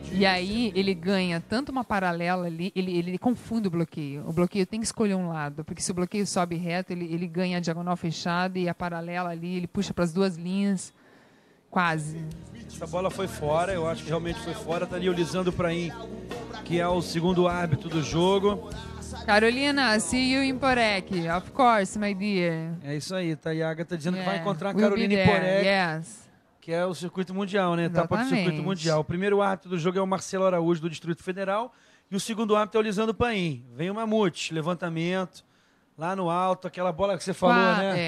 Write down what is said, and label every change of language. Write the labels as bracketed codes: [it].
[pt] E aí ele ganha tanto uma paralela ali, ele confunde o bloqueio. O bloqueio tem que escolher um lado, porque se o bloqueio sobe reto, ele ganha a diagonal fechada e a paralela ali, ele puxa para as duas linhas. Quase. Essa bola foi fora, eu acho que realmente foi fora. Tá ali o Lisandro Praim, que é o segundo árbitro do jogo. [en] Carolina, see you in Porec. Of course, my dear. [pt] É isso aí, tá? E a Agatha dizendo que vai encontrar a Carolina em Porec. [en] Yes. [pt] Que é o circuito mundial, né? Etapa do circuito mundial. O primeiro árbitro do jogo é o Marcelo Araújo, do Distrito Federal. E o segundo árbitro é o Lisandro Praim. Vem o Mamute, levantamento. Lá no alto, aquela bola que você falou, né?